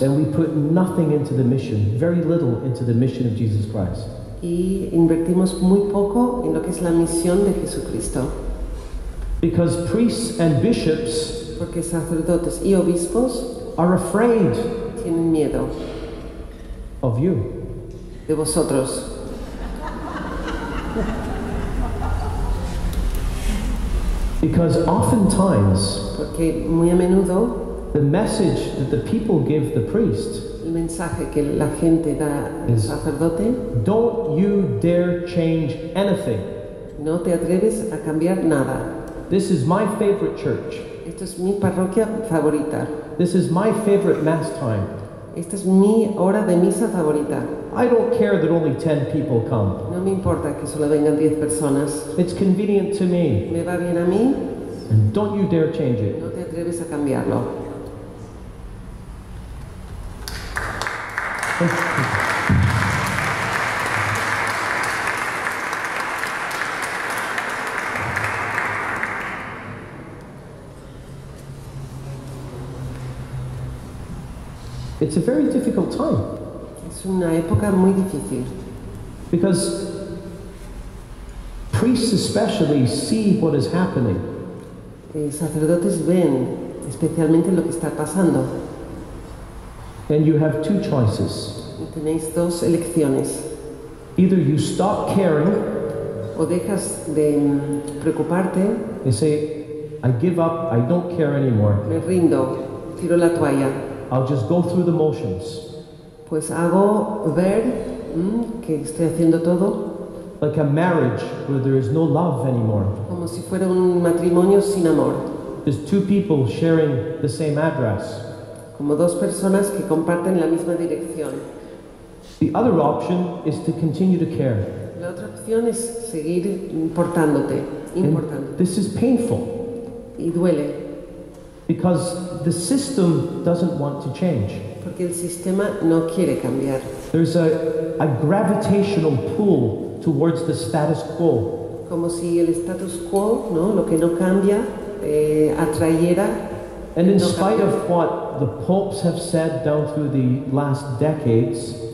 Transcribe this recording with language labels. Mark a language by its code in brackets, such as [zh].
[en] Then we put nothing into the mission, very little into the mission of Jesus Christ. [es] Y invertimos muy poco en lo que es la misión de Jesucristo. [en] Because priests and bishops, [es] porque sacerdotes y obispos, [en] are afraid, [es] tienen miedo, [en] of you, [es] de vosotros. [en] Because oftentimes, [es] porque muy a menudo, [en] the message that the people give the priest, [es] el mensaje que la gente da al sacerdote, [en] don't you dare change anything. [es] No te atreves a cambiar nada. [en] This is my favorite church. [es] Esta es mi parroquia favorita. [en] This is my favorite mass time. [es] Esta es mi hora de misa favorita. [en] I don't care that only 10 people come. [es] No me importa que solo vengan 10 personas. [en] It's convenient to me. [es] Me va bien a mí. [en] And don't you dare change it. [es] No te atreves a cambiarlo. [en] It's a very difficult time. [es] Es una época muy difícil. [en] Because priests especially see what is happening. [es] Sacerdotes ven especialmente lo que está pasando. [en] And you have two choices. [es] Y tenéis dos elecciones. [en] Either you stop caring, [es] o dejas de preocuparte. [en] You say, I give up, I don't care anymore. [es] Me rindo, tiro la toalla. [en] I'll just go through the motions. [es] Pues hago ver que estoy haciendo todo. [en] Like a marriage where there is no love anymore. [es] Como si fuera un matrimonio sin amor. [en] There's two people sharing the same address. [es] Como dos personas que comparten la misma dirección. [en] The other option is to continue to care. [es] La otra opción es seguir importándote, importándote. [en] And this is painful. [es] Y duele. [en] Because the system doesn't want to change. [es] Porque el sistema no quiere cambiar. [en] There's a gravitational pull towards the status quo. [es] Como si el status quo, ¿no? Lo que no cambia, atrayera. [en] And in spite of what the popes have said down through the last decades,